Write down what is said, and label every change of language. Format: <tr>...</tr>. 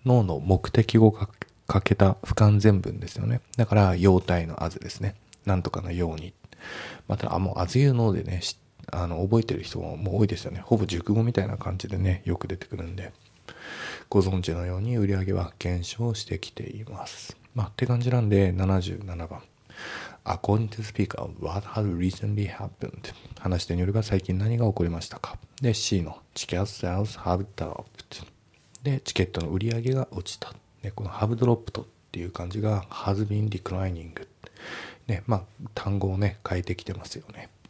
<ja>NO の目的語をかけた不完全文ですよね。だから要体の AS ですね。なんとかのように、また、あ、もう AS you know でね、覚えてる人 もう多いですよね。ほぼ熟語みたいな感じでねよく出てくるんで、ご存知のように売上は減少してきています。</ja> <en>まあ、って感じなんで、77番、 According to speaker, what has recently happened?</en> <ja>話してによれば最近何が起こりましたか。で、 C の Ticket sales have dropped で、チケットの売り上げが落ちた。で、この have dropped っていう感じが has been declining、ね、まあ、単語をね変えてきてますよね。</ja>